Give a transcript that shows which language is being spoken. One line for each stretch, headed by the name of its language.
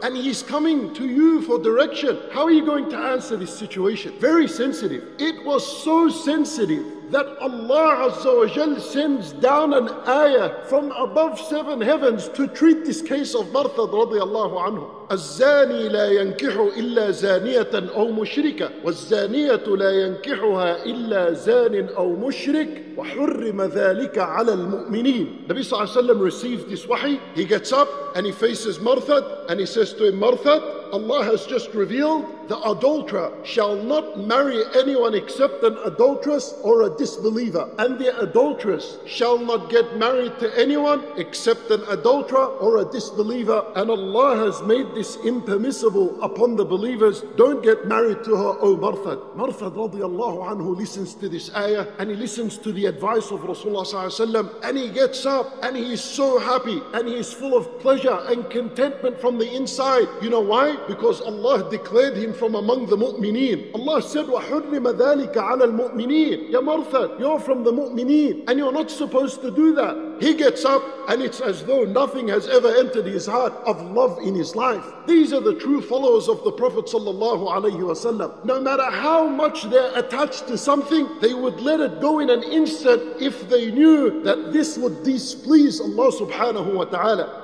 English: And he's coming to you for direction. How are you going to answer this situation? Very sensitive. It was so sensitive that Allah Azza wa Jal sends down an ayah from above seven heavens to treat this case of Marthad radiallahu anhu.
Arabic: الزاني لا ينكح إلا زانية أو مشركة والزانية لا ينكحها إلا زان أو مشرك وحرم ذلك على المؤمنين.
English: Nabi Sallallahu Alaihi Wasallam received this wahi. He gets up and he faces Marthad and he says to him, Marthad, Allah has just revealed the adulterer shall not marry anyone except an adulteress or a disbeliever, and the adulteress shall not get married to anyone except an adulterer or a disbeliever, and Allah has made this impermissible upon the believers. Don't get married to her, O Marthad. Marthad radiallahu anhu listens to this ayah and he listens to the advice of Rasulullah sallallahu alaihi wasallam, and he gets up and he's so happy and he's full of pleasure and contentment from the inside. You know why? Because Allah declared him from among the mu'mineen. Allah said,
Arabic: وَحُرِّمَ ذَلِكَ عَلَى الْمُؤْمِنِينَ.
English: Ya Marthad, you're from the mu'mineen and you're not supposed to do that. He gets up and it's as though nothing has ever entered his heart of love in his life. These are the true followers of the Prophet sallallahu alayhi wa sallam. No matter how much they're attached to something, they would let it go in an instant if they knew that this would displease Allah subhanahu wa ta'ala.